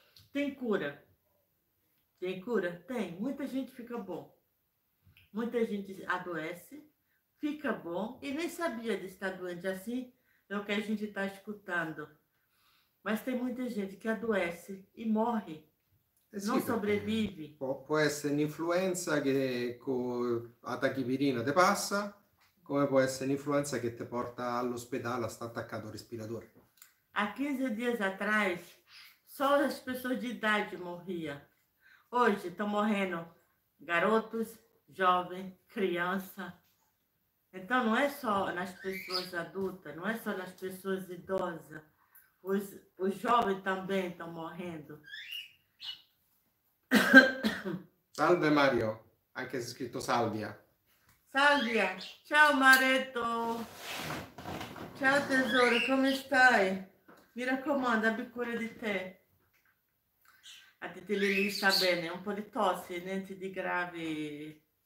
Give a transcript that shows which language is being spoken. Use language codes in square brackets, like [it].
[pt] Tem cura? Tem cura? Tem. Muita gente fica bom. Muita gente adoece, fica bom e nem sabia de estar doente. Assim é o que a gente está escutando. Mas tem muita gente que adoece e morre. Eh [it] Non sì, perché sopravvivi. può essere un'influenza che a tachipirina ti passa, come può essere un'influenza che ti porta all'ospedale a stare attaccato al respiratore. [pt] Há 15 dias atrás, só as pessoas de idade morriam. Hoje estão morrendo garotos, jovens, criança. Então não é só nas pessoas adultas, não é só nas pessoas idosas. Os jovens também estão morrendo. [it] Salve Mario, anche se scritto Salvia. Salvia, ciao Maretto, ciao tesoro, come stai? Mi raccomando, abbi cura di te. A te lì sta bene, un po' di tosse, niente di grave.